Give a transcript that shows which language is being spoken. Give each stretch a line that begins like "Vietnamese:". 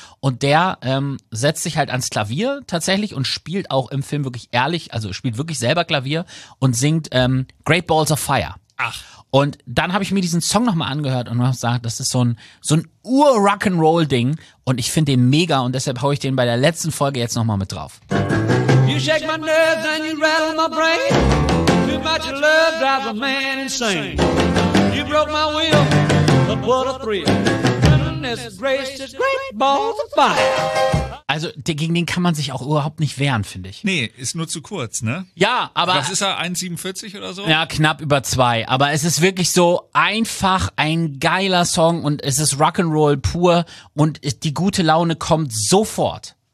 German: Und der setzt sich halt ans Klavier tatsächlich und spielt auch im Film wirklich ehrlich, also spielt wirklich selber Klavier und singt Great Balls of Fire. Ach. Und dann habe ich mir diesen Song nochmal angehört und habe gesagt, das ist so ein Ur-Rock'n'Roll-Ding. Und ich finde den mega und deshalb haue ich den bei der letzten Folge jetzt nochmal mit drauf.
English: You shake my nerves and you rattle my brain. Too much love drives a man insane. You broke my will, but what a thrill.
German: Also gegen den kann man sich auch überhaupt nicht wehren, finde ich. Nee, ist nur zu kurz, ne? Ja, aber... Was ist er, 1,47 oder so? Ja, knapp über 2. Aber es ist wirklich so einfach ein geiler Song und es ist Rock'n'Roll pur und die gute Laune kommt sofort.